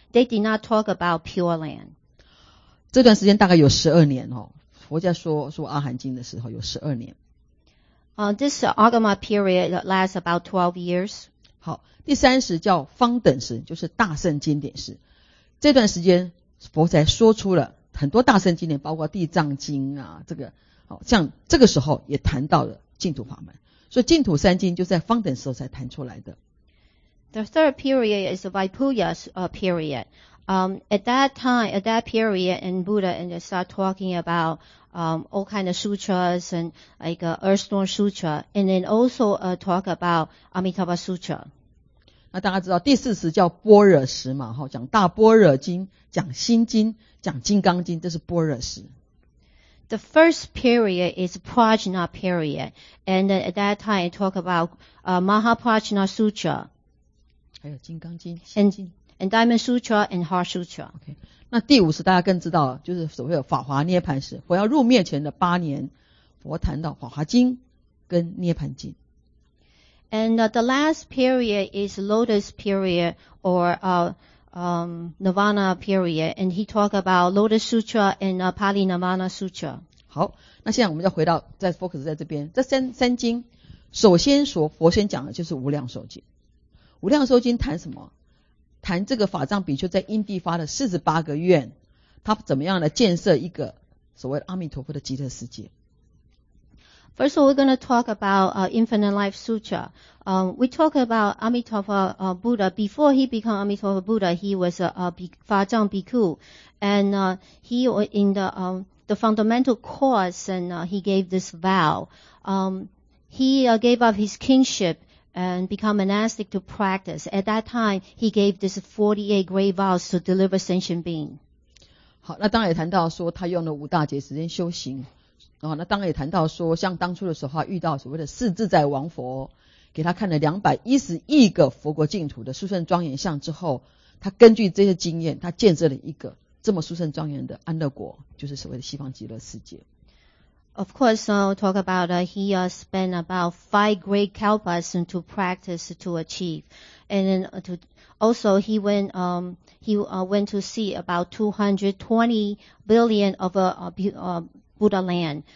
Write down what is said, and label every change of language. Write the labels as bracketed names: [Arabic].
[English] They did not talk about Pure Land. [Chinese] 这段时间大概有十二年哦。佛在说阿含经的时候有十二年。 [English] This Agama period lasts about 12 years. [Chinese] 好，第三时叫方等时，就是大圣经典时。这段时间佛才说出了很多大圣经典，包括地藏经啊，这个好像这个时候也谈到了净土法门。所以净土三经就在方等时候才谈出来的。 [English] The third period is Vipulya's period. At that period, and Buddha and start talking about all kind of sutras and like Earthstone Sutra, and then also talk about Amitabha Sutra. [Chinese] 那大家知道第四时叫般若时嘛，讲大般若经，讲心经，讲金刚经，这是般若时。 [English] The first period is Prajna period, and at that time talk about Mahaprajna Sutra. [Chinese] 还有金刚经、 [English] and Diamond Sutra and Heart Sutra. Okay. [Chinese] 那第五时大家更知道，就是所谓的法华涅槃时，佛要入灭前的八年，佛谈到法华经跟涅槃经。 [English] And the last period is Lotus period or Nirvana period, and he talk about Lotus Sutra and Pali Nirvana Sutra. [Chinese] 好，那现在我们再回到再 focus 在这边，这三经，首先说佛先讲的就是无量寿经。无量寿经谈什么？谈这个法藏比丘在因地发的48个愿，他怎么样来建设一个所谓阿弥陀佛的极乐世界。 [English] First of all, we're going to talk about Infinite Life Sutra. We talk about Amitabha Buddha. Before he became Amitabha Buddha, he was a Vajang Bhikkhu. And he, in the fundamental course, and he gave this vow. He gave up his kingship and become monastic to practice. At that time, he gave this 48 great vows to deliver sentient being. [Chinese] 好，那当然也谈到说他用了五大劫时间修行。哦，那当然也谈到说，像当初的时候遇到所谓的四自在王佛，给他看了210亿个佛国净土的殊胜庄严像之后，他根据这些经验，他建设了一个这么殊胜庄严的安乐国，就是所谓的西方极乐世界。 [English] Of course, I'll talk about he spent about 5 great kalpas to practice to achieve, and then to also he went went to see about 220 billion of Buddha land.